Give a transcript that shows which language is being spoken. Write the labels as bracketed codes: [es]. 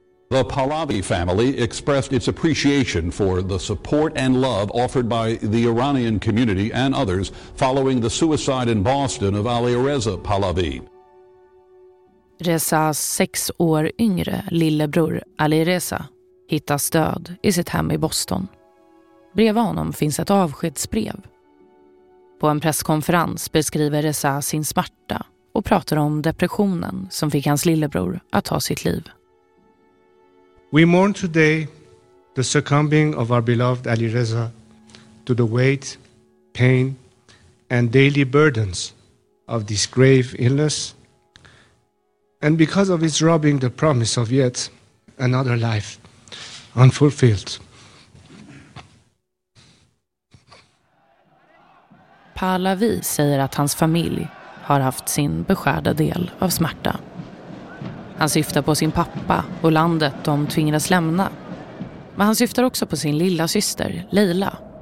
[en] The Pahlavi family expressed its appreciation for the support and love offered by the Iranian community and others following the suicide in Boston of Ali Reza Pahlavi. [sv] Rezas 6 år yngre lillebror Ali Reza hittas död i sitt hem i Boston. Bredvid honom finns ett avskedsbrev. På en presskonferens beskriver Reza sin smärta och pratar om depressionen som fick hans lillebror att ta sitt liv. [en] We mourn today the succumbing of our beloved Ali Reza to the weight, pain and daily burdens of this grave illness. And because of its robbing the promise of yet another life unfulfilled. [sv] Pahlavi säger att hans familj har haft sin beskärda del av smärta. Han syftar på sin pappa och landet de tvingades lämna. Men han syftar också på sin lilla syster, Leila.